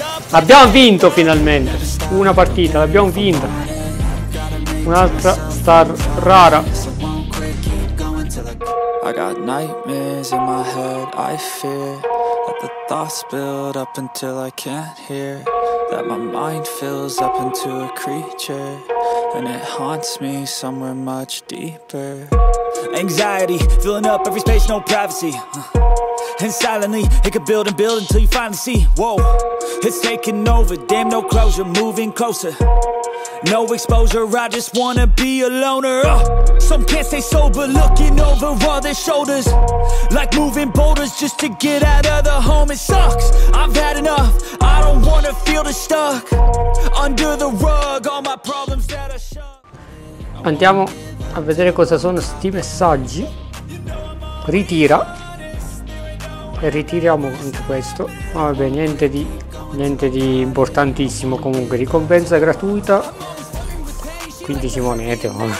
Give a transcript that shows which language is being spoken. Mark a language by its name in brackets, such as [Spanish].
[Italian] Abbiamo vinto finalmente una partita, l'abbiamo vinta. Un'altra star rara. [English] I got nightmares in my head, I fear that the thoughts build up until I can't hear, that my mind fills up into a creature and it haunts me somewhere much deeper. Anxiety filling up every space, no privacy. And silently, it could build and build until you finally see. Whoa, it's taking over, damn no closure, moving closer. No exposure, I just wanna be a loner. Some can't stay sober, looking over all their shoulders, like moving boulders just to get out of the home. It sucks, I've had enough, I don't wanna feel the stuck under the rug, all my problems that I shove. [Italian] Andiamo a vedere cosa sono sti messaggi. Ritira. E ritiriamo anche questo. Vabbè, niente di importantissimo. Comunque, ricompensa gratuita, 15 monete.